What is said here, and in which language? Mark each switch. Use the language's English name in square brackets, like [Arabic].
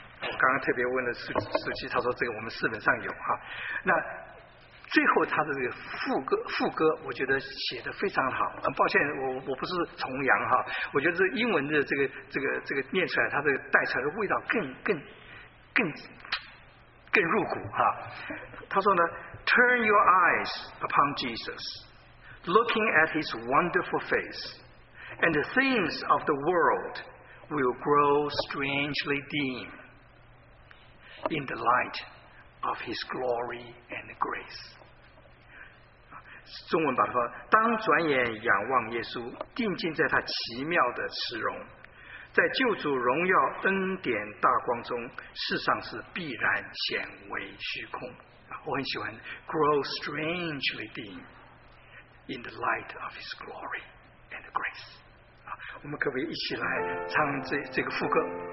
[Chinese] 我刚刚特别问了书记，他说这个我们四本上有哈、啊。那最后他的这个副歌，我觉得写得非常好。很抱歉，我不是重阳哈、啊，我觉得这英文的这个念出来，它的带出来的味道更入骨哈、啊。他说呢 [English] ，Turn your eyes upon Jesus, looking at his wonderful face. And the things of the world will grow strangely dim in the light of his glory and grace. [Chinese] 中文把它说，当转眼仰望耶稣，定睛在他奇妙的慈容，在救主荣耀恩典大光中，世上是必然显为虚空。我很喜欢 [English] grow strangely dim in the light of his glory and grace. [Chinese] 我们可不可以一起来唱这个副歌？